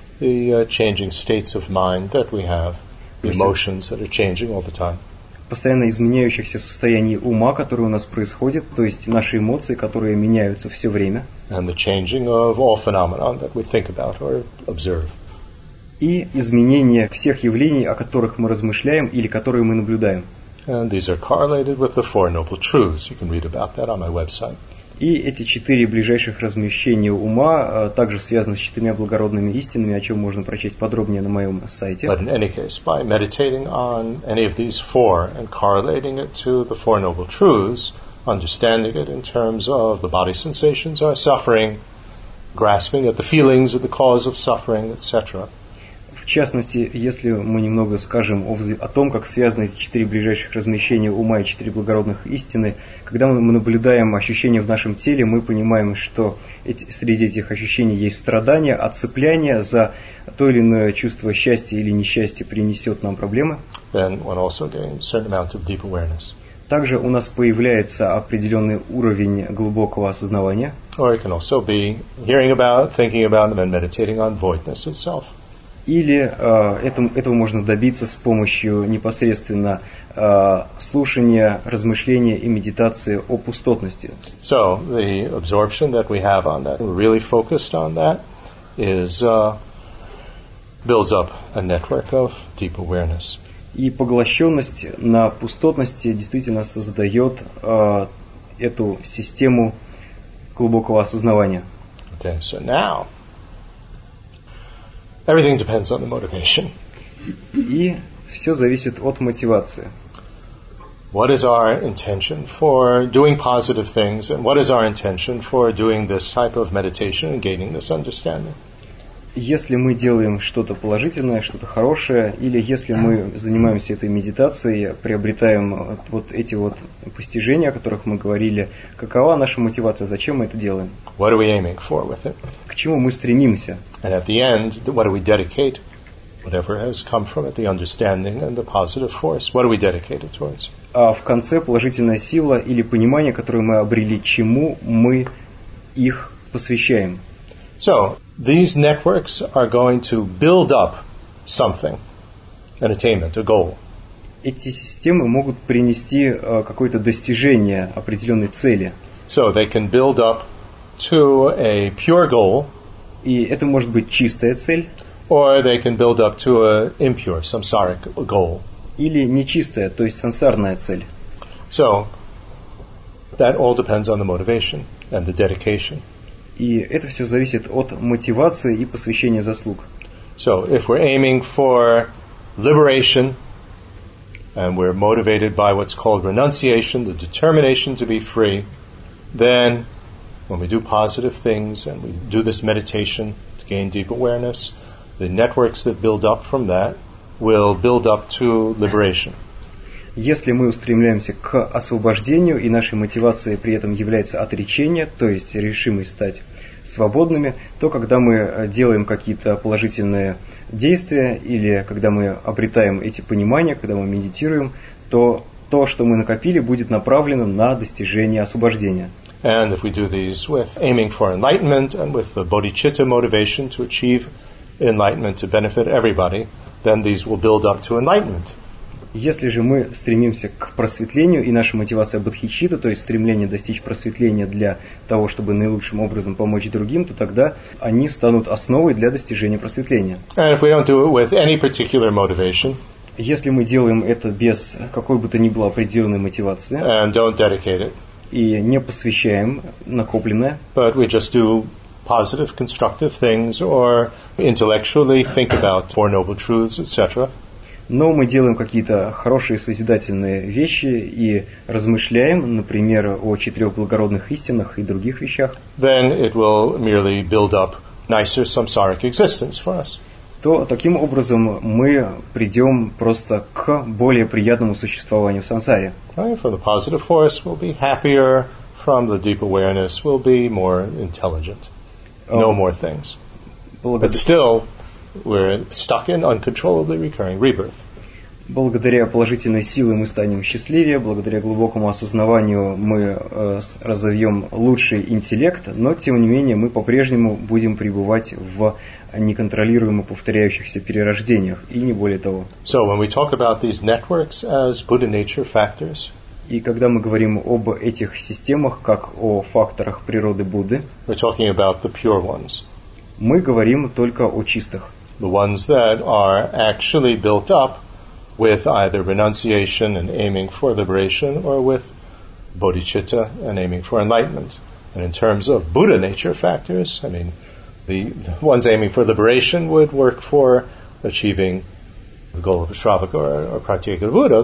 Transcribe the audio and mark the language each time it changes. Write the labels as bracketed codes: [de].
[en] The changing states of mind that we have, the emotions that are changing all the time. [ru] Постоянно изменяющихся состояний ума, которые у нас происходят, то есть наши эмоции, которые меняются все время. [en] And the changing of all phenomena that we think about or observe. [ru] И изменение всех явлений, о которых мы размышляем или которые мы наблюдаем. [en] And these are correlated with the four noble truths. You can read about that on my website. [ru] И эти четыре ближайших размещения ума также связаны с четырьмя благородными истинами, о чем можно прочесть подробнее на моем сайте. [en] But in any case, by meditating on any of these four and correlating it to the four noble truths, understanding it in terms of the body sensations or suffering, grasping at the feelings of the cause of suffering, etc. [ru] В частности, если мы немного скажем о том, как связаны эти четыре ближайших размещения ума и четыре благородных истины, когда мы наблюдаем ощущения в нашем теле, мы понимаем, что среди этих ощущений есть страдания, а цепляние за то или иное чувство счастья или несчастья принесет нам проблемы. [en] Then one also gains a certain amount of deep awareness. [ru] Также у нас появляется определенный уровень глубокого осознавания. [en] Or it can also be hearing about, thinking about, and then meditating on voidness itself. [ru] Или этого можно добиться с помощью непосредственно слушания, размышления и медитации о пустотности. [en] So, the absorption that we have on that, we're really focused on that, is builds up a network of deep awareness. [ru] И поглощенность на пустотности действительно создает эту систему глубокого осознавания. [en] Okay, so now everything depends on the motivation. [ru] И все зависит от мотивации. [en] What is our intention for doing positive things, and what is our intention for doing this type of meditation and gaining this understanding? [ru] Если мы делаем что-то положительное, что-то хорошее, или если мы занимаемся этой медитацией, приобретаем вот эти вот постижения, о которых мы говорили, какова наша мотивация, зачем мы это делаем? [en] What are we aiming for with it? [ru] К чему мы стремимся? [en] And at the end, what do we dedicate? Whatever has come from it, the understanding and the positive force, what do we dedicate it towards? [ru] А в конце положительная сила или понимание, которое мы обрели, чему мы их посвящаем? [en] So, these networks are going to build up something, an attainment, a goal. [ru] Эти системы могут принести какое-то достижение определенной цели. [en] So they can build up to a pure goal. [ru] И это может быть чистая цель. [en] Or they can build up to an impure, samsaric goal. [ru] Или нечистая, то есть сансарная цель. [en] So that all depends on the motivation and the dedication. [ru] И это все зависит от мотивации и посвящения заслуг. [en] So if we're aiming for liberation and we're motivated by what's called renunciation, the determination to be free, then when we do positive things and we do this meditation to gain deep awareness, the networks that build up from that will build up to liberation. [ru] Если мы устремляемся к освобождению, и нашей мотивацией при этом является отречение, то есть решимость стать свободными, то когда мы делаем какие-то положительные действия, или когда мы обретаем эти понимания, когда мы медитируем, то то, что мы накопили, будет направлено на достижение освобождения. [en] And if we do these with aiming for enlightenment and with the bodhicitta motivation to achieve enlightenment to benefit everybody, then these will build up to enlightenment. [ru] Если же мы стремимся к просветлению, и наша мотивация бодхичитта, то есть стремление достичь просветления для того, чтобы наилучшим образом помочь другим, то тогда они станут основой для достижения просветления. [en] And if we don't do it with any particular motivation, [ru] если мы делаем это без какой бы то ни было определенной мотивации, [en] and don't dedicate it, [ru] и не посвящаем накопленное, [en] but we just do positive, constructive things, or intellectually think about Four Noble Truths, etc. [ru] Но мы делаем какие-то хорошие созидательные вещи и размышляем, например, о четырех благородных истинах и других вещах. [en] Then it will merely build up nicer samsaric existence for us. [ru] То таким образом мы придем просто к более приятному существованию в сансаре. [en] Right, from the positive force, we'll be happier. From the deep awareness, we'll be more intelligent. No more things. But still, we're stuck in uncontrollably recurring rebirth. [ru] Благодаря положительной силе мы станем счастливее, благодаря глубокому осознаванию мы разовьем лучший интеллект, но тем не менее мы по-прежнему будем пребывать в неконтролируемо повторяющихся перерождениях, и не более того. [en] So when we talk about these networks as Buddha nature factors, [ru] и когда мы говорим об этих системах как о факторах природы Будды, [en] we're talking about the pure ones. [ru] Мы говорим только о чистых. [en] The ones that are actually built up with either renunciation and aiming for liberation, or with bodhicitta and aiming for enlightenment. And in terms of Buddha nature factors, I mean, the ones aiming for liberation would work for achieving the goal of a Shravaka or Pratyeka Buddha.